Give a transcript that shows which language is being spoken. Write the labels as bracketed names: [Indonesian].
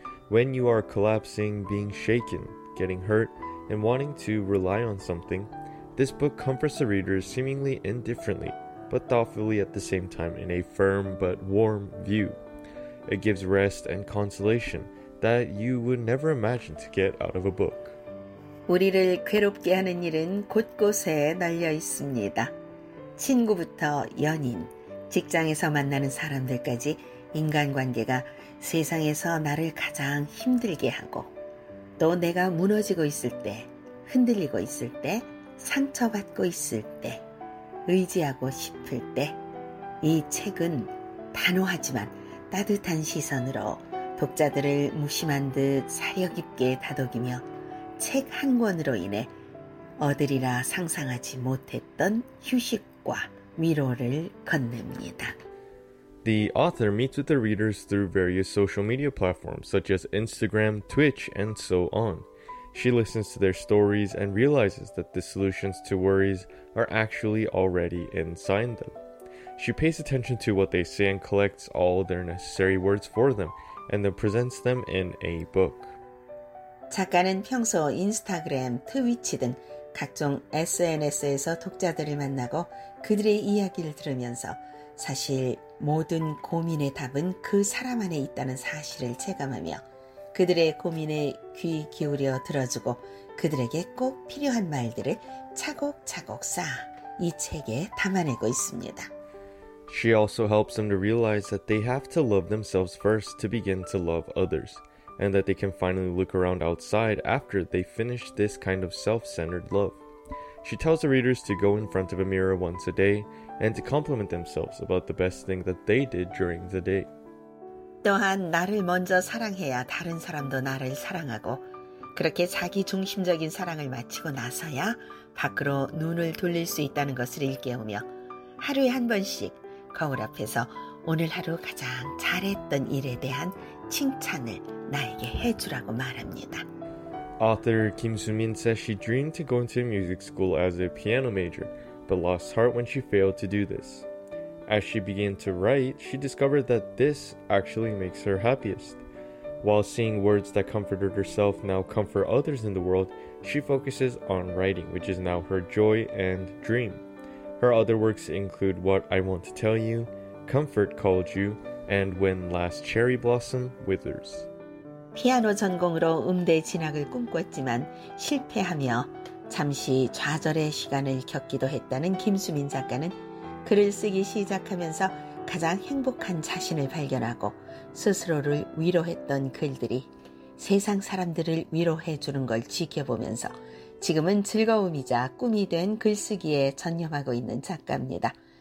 [English] When you are collapsing, being shaken, getting hurt, and wanting to rely on something, this book comforts the readers seemingly indifferently, but thoughtfully at the same time in a firm but warm view. It gives rest and consolation that you would never imagine to get out of a book. [Korean] 우리를 괴롭게 하는 일은 곳곳에 널려 있습니다. 친구부터 연인, 직장에서 만나는 사람들까지 인간관계가 세상에서 나를 가장 힘들게 하고 또 내가 무너지고 있을 때, 흔들리고 있을 때, 상처받고 있을 때, 의지하고 싶을 때 이 책은 단호하지만 따뜻한 시선으로 독자들을 무심한 듯 사려깊게 다독이며 책 한 권으로 인해 어들이라 상상하지 못했던 휴식과 위로를 건넵니다. [English] The author meets with the readers through various social media platforms such as Instagram, Twitch, and so on. She listens to their stories and realizes that the solutions to worries are actually already inside them. She pays attention to what they say and collects all their necessary words for them, and then presents them in a book. [Korean] 작가는 평소 인스타그램, 트위치 등 각종 SNS에서 독자들을 만나고 그들의 이야기를 들으면서 사실 모든 고민의 답은 그 사람 안에 있다는 사실을 체감하며 그들의 고민에 귀 기울여 들어주고 그들에게 꼭 필요한 말들을 차곡차곡 쌓아 이 책에 담아내고 있습니다. [English] She also helps them to realize that they have to love themselves first to begin to love others, and that they can finally look around outside after they finish this kind of self-centered love. She tells the readers to go in front of a mirror once a day and to compliment themselves about the best thing that they did during the day. [Korean] 또한 나를 먼저 사랑해야 다른 사람도 나를 사랑하고 그렇게 자기 중심적인 사랑을 마치고 나서야 밖으로 눈을 돌릴 수 있다는 것을 일깨우며 하루에 한 번씩 거울 앞에서 오늘 하루 가장 잘했던 일에 대한 칭찬을 나에게 해주라고 말합니다. [English] Author Kim Soo-min says she dreamed to go into music school as a piano major, but lost heart when she failed to do this. As she began to write, she discovered that this actually makes her happiest. While seeing words that comforted herself now comfort others in the world, she focuses on writing, which is now her joy and dream. Her other works include What I Want to Tell You, Comfort Called You, and When Last Cherry Blossom Withers. [Korean] 피아노 전공으로 음대 진학을 꿈꿨지만 실패하며 잠시 좌절의 시간을 겪기도 했다는 김수민 작가는 글을 쓰기 시작하면서 가장 행복한 자신을 발견하고 스스로를 위로했던 글들이 세상 사람들을 위로해 주는 걸 지켜보면서 지금은 즐거움이자 꿈이 된 글쓰기에 전념하고 있는 작가입니다.